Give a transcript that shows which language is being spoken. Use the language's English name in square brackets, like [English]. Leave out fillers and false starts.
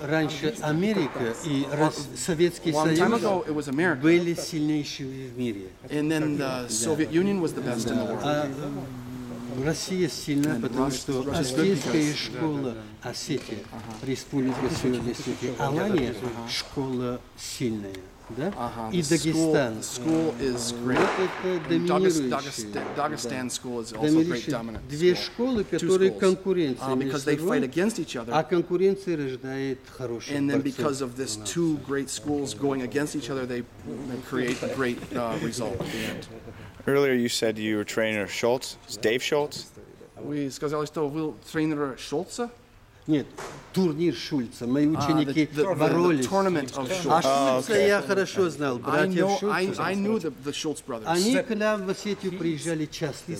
[Russian] Раньше Америка и Советский Союз были сильнейшими в мире. [English] And then the Soviet Union was the best in the world. [Russian] Россия сильна, потому что Осетинская школа Осетия, Республика Северной Осетии, Алания, школа сильная. [English] И Дагестан. School is great. Dagestan school is also great dominant. [Russian] Две школы, которые конкуренция. [English] Because they fight against each other. [Russian] А конкуренция рождает хороших борцов. [English] And then because of this two great schools going against each other, they create great result at the end. Earlier you said you were trainer Schultz. It's Dave Schultz. [Russian] Вы сказали, что вы тренер Шульца? Нет, турнир Шульца. Мои ученики боролись. А Шульца я хорошо знал. Братья Шульца. Они к нам в Осетию приезжали часто.